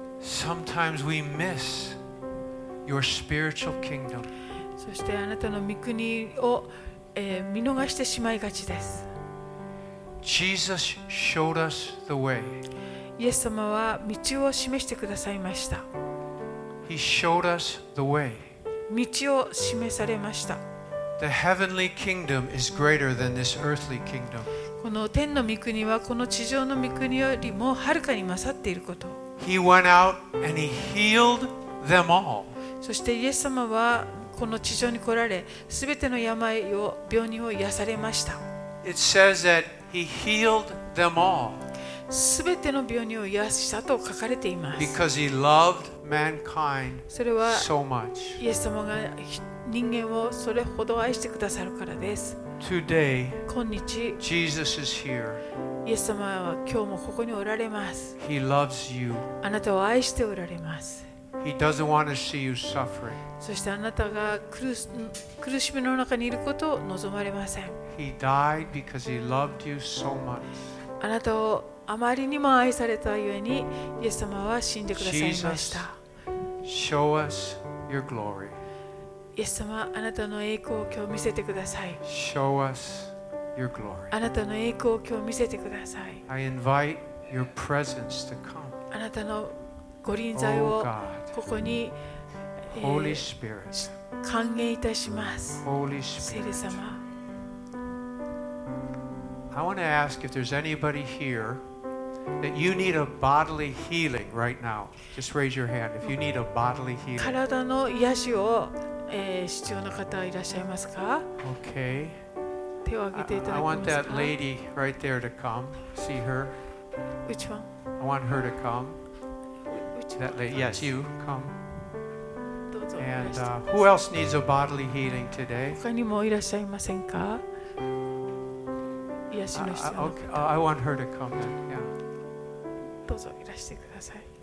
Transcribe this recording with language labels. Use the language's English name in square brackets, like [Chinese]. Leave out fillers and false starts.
[English] Sometimes we miss your spiritual kingdom. [Japanese] そしてあなたの御国を、見逃してしまいがちです。 [English] Jesus showed us the way. [Japanese] イエス様は道を示してくださいました。 [English] He showed us the way. [Japanese] 道を示されました。 [English] The heavenly kingdom is greater than this earthly kingdom. [Japanese] この天の御国はこの地上の御国よりもはるかに勝っていること。 [English] He went out and he healed them all. [Japanese] そしてイエス様はこの地上に来られ、すべての病を病人を癒されました。 [English] It says that he healed them all. [Japanese] すべての病人を癒したと書かれています。 [English] Because he loved mankind so much. [Japanese] それはイエス様が人間をそれほど愛してくださるからです。 [English] Today, [Japanese] 今日、 [English] Jesus is here. [Japanese] イエス様は今日もここにおられます。 [English] He loves you. [Japanese] あなたを愛しておられます。 [English] He doesn't want to see you suffering. [Japanese] そしてあなたが苦しみの中にいることを望まれません。 [English] He died because he loved you so much. [Japanese] あなたをあまりにも愛されたゆえに、イエス様は死んでくださいました。 [English] Jesus, show us your glory. [Japanese] イエス様、あなたの栄光を今日見せてください。 [English] Show us your glory. [Japanese] あなたの栄光を今日見せてください。 [English] I invite your presence to come. [Japanese] あなたのご臨在をここに、 [English] Holy Spirit. [Japanese] 歓迎いたします。 [English] Holy Spirit. [Japanese] 聖霊様。 [English] I want to ask if there's anybody here that you need a bodily healing right now. Just raise your hand if you need a bodily healing. [Japanese] 体の癒しを必要な方いらっしゃいますか？ [English] Okay. [Japanese] 手を挙げていただけますか？ [English] I want that lady right there to come. See her. Which one? I want her to come. Which one? That lady. Yes, you come. [Japanese] どうぞ。 [English] And who else needs a bodily healing today? [Japanese] 他にもいらっしゃいませんか？癒しの必要な方。 [English] Okay. I want her to come then. Yeah. [Japanese] どうぞいらしてください。